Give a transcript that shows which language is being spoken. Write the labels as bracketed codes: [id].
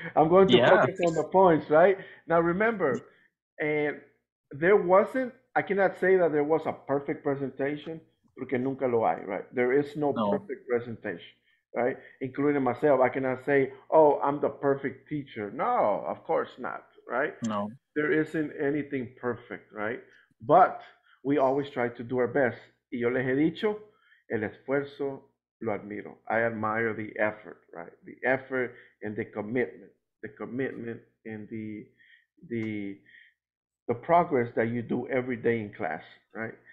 [en] I'm going to focus on the points, right? Now, remember, I cannot say that there was a perfect presentation, [es] porque nunca lo hay, [en] right? There is no perfect presentation, right? Including myself, I cannot say, oh, I'm the perfect teacher. No, of course not, right? No. There isn't anything perfect, right? But we always try to do our best. [es] Y yo les he dicho, el esfuerzo lo admiro. [en] I admire the effort, right? The effort and the commitment. The commitment and the progress that you do every day in class, right?